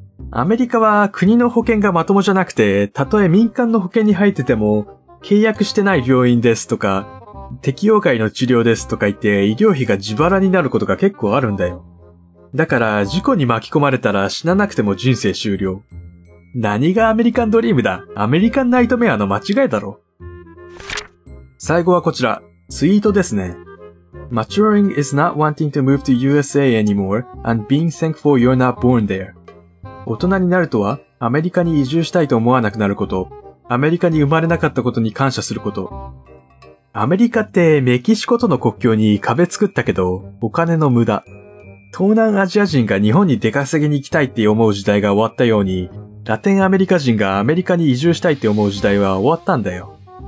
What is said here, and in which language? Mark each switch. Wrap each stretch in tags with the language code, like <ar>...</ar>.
<ja>アメリカは国の保険がまともじゃなくて、たとえ民間の保険に入ってても契約してない病院ですとか、適用外の治療ですとか言って医療費が自腹になることが結構あるんだよ。だから事故に巻き込まれたら死ななくても人生終了。何がアメリカンドリームだ。アメリカンナイトメアの間違いだろ。最後はこちら、ツイートですね。</ja> <en>Maturing is not wanting to move to USA anymore and being thankful you're not born there。</en> <ja>大人になるとはアメリカに移住したいと思わなくなること、アメリカに生まれなかったことに感謝すること。アメリカってメキシコとの国境に壁作ったけど、お金の無駄。東南アジア人が日本に出稼ぎに行きたいって思う時代が終わったように、ラテンアメリカ人がアメリカに移住したいって思う時代は終わったんだよ。</ja>